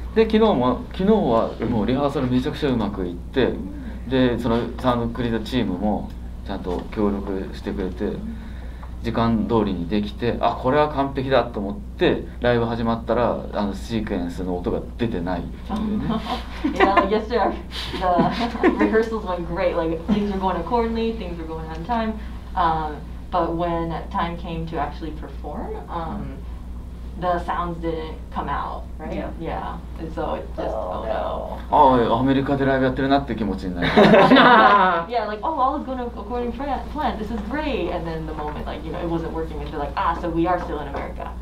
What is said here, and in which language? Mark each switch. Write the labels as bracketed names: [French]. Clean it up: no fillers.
[Japanese] で昨日はもうリハーサルめちゃくちゃうまくいって、でそのサウンドクリエイターチームもちゃんと協力してくれて、時間通りにできて、あ、これは完璧だと思って、ライブ始まったらシークエンスの音が出てないっていうね。 [English] Yeah, yesterday the rehearsals went great, like things were going accordingly, things were going on time, but when time came to actually perform, the sounds didn't come out, right? Yeah. Yeah. And so it just, [Japanese] oh, アメリカでライブやってるなって気持ちになる。 [English] Yeah, like, oh, all is going according to plan. This is great. And then the moment, like, you know, it wasn't working, and they're like, ah, so we are still in America.